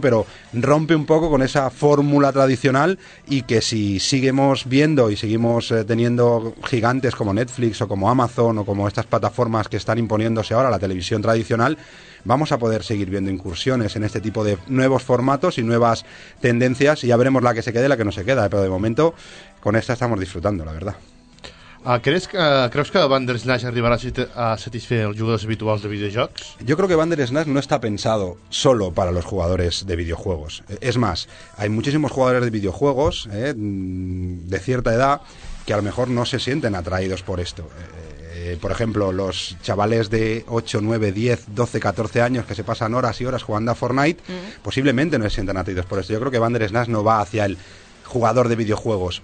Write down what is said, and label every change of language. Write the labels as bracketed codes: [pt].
[es] Pero rompe un poco con esa fórmula tradicional, y que si seguimos viendo y seguimos teniendo gigantes como Netflix o como Amazon o como estas plataformas que están imponiéndose ahora a la televisión tradicional, vamos a poder seguir viendo incursiones en este tipo de nuevos formatos y nuevas tendencias, y ya veremos la que se quede y la que no se queda. Pero de momento con esta estamos disfrutando, la verdad. [ca] ¿Creus que Bandersnatch arribarà a satisfer els jugadors habituals de videojocs? [es] Yo creo que Bandersnatch no está pensado solo para los jugadores de videojuegos. Es más, hay muchísimos jugadores de videojuegos de cierta edad que a lo mejor no se sienten atraídos por esto. Por ejemplo, los chavales de 8, 9, 10, 12, 14 años que se pasan horas y horas jugando a Fortnite posiblemente no se sientan atraídos por esto. Yo creo que Bandersnatch no va hacia el jugador de videojuegos.